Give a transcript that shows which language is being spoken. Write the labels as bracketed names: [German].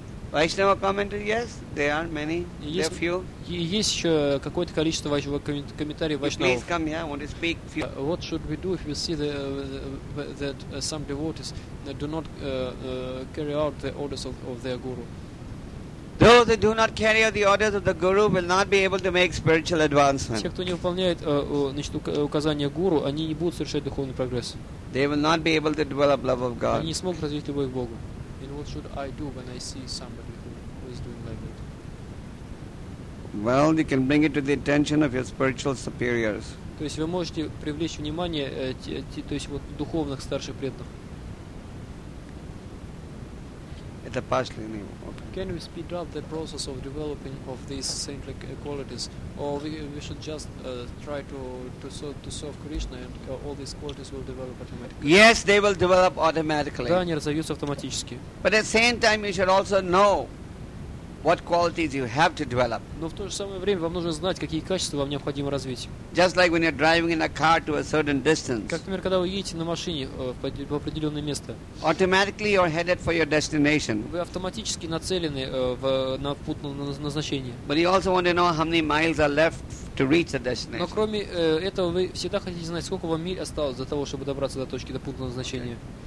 [English] Vaishnava commentary, yes, there are many, there are few. [Russian] Есть еще какое-то количество комментариев [English] Vaishnava. Please come here, I want to speak few. What should we do if we see that some devotees do not carry out the orders of their guru? Those who do not carry out the orders of the guru will not be able to make spiritual advancement. [Russian] Те, кто не выполняет указания гуру, они не будут совершать духовный прогресс. [English] They will not be able to develop love of God. [Russian] Они не смогут развить любовь к Богу. [English] And what should I do when I see somebody who is doing like that? Well, you can bring it to the attention of your spiritual superiors. [Russian] То есть вы можете привлечь внимание то есть вот духовных старших преданных. Это пошли на его. [English] Can we speed up the process of developing of these saintly qualities, or we should just try to serve Krishna and all these qualities will develop automatically? Yes, they will develop automatically. [Russian] Да, они развиваются автоматически. [English] But at the same time, you should also know what qualities you have to develop. [Russian] Но в то же самое время вам нужно знать, какие качества вам необходимо развить. [English] Just like when you're driving in a car to a certain distance. [Russian] Как, например, когда вы едете на машине в определенное место. [English] Automatically you're headed for your destination. [Russian] Вы автоматически нацелены на путь на назначение. [English] But you also want to know how many miles are left to reach the destination. [Russian] Но кроме этого вы всегда хотите знать, сколько вам миль осталось для того, чтобы добраться до точки до пункта назначения.